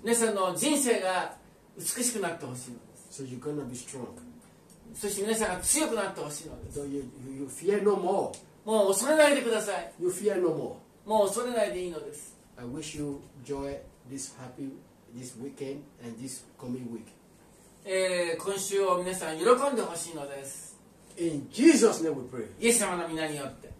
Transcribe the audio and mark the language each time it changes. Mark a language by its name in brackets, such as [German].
[Japanese] 皆さんの人生が美しくなってほしいのです。 [English] So you're going to be strong. [Japanese] そして皆さんが強くなってほしいのです。 [English] So you fear no more. [Japanese] もう恐れないでください。 [English] You fear no more. [Japanese] もう恐れないでいいのです。 [English] I wish you joy, this happy, this weekend and this coming week. [Japanese] 今週を皆さん喜んでほしいのです。 [English] In Jesus' name we pray. [Japanese] イエス様の皆によって。